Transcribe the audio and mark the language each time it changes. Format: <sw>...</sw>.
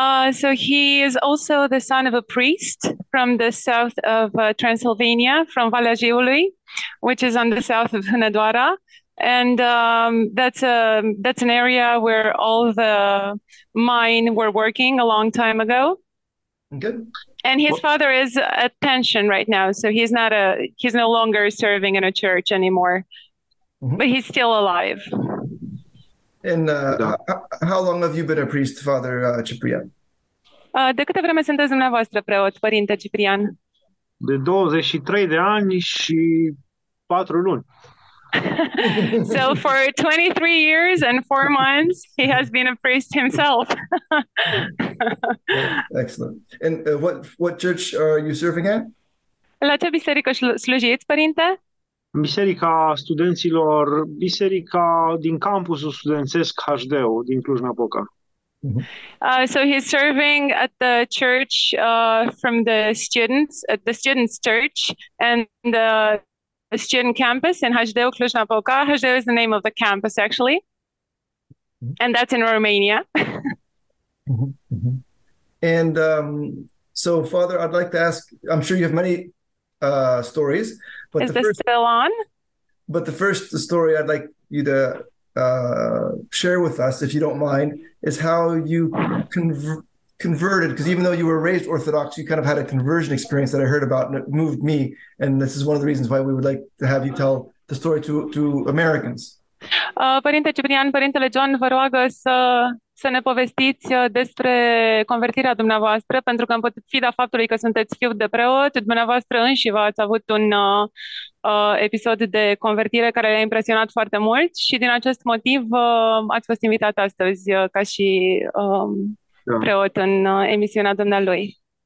<en>So he is also the son of a priest from the south of Transylvania, from Valea Jiului, which is on the south of Hunedoara, and that's an area where all the mine were working a long time ago. Good. And his father is at pension right now, so he's no longer serving in a church anymore. Mm-hmm. But he's still alive. And how long have you been a priest, Father Ciprian?</en> <ro>De câte vreme sunteți dumneavoastră preot, Părinte Ciprian? De 23 de ani și 4 luni.</ro> <en>So for 23 years and 4 months, he has been a priest himself. Excellent. And what church are you serving at?</en> <ro>La ce biserică slujiți, Părinte? Biserica studenților, biserica din campusul studențesc HDU din Cluj-Napoca.</ro> <en>So he's serving at the church from the students, at the students' church and the student campus in HDU Cluj-Napoca. HDU is the name of the campus, actually. Mm-hmm. And that's in Romania. Mm-hmm. And so, Father, I'd like to ask, I'm sure you have many stories. But is this still on? But the first story I'd like you to share with us, if you don't mind, is how you converted, because even though you were raised Orthodox, you kind of had a conversion experience that I heard about, and it moved me. And this is one of the reasons why we would like to have you tell the story to Americans.</en> <ro>Părinte Ciprian, Părintele John, vă rog să ne povestiți despre convertirea dumneavoastră, pentru că în pofida faptului că sunteți fiul de preot, dumneavoastră înși v-ați avut un episod de convertire care le-a impresionat foarte mult și din acest motiv ați fost invitat astăzi ca și preot în emisiunea dumnealui.</ro>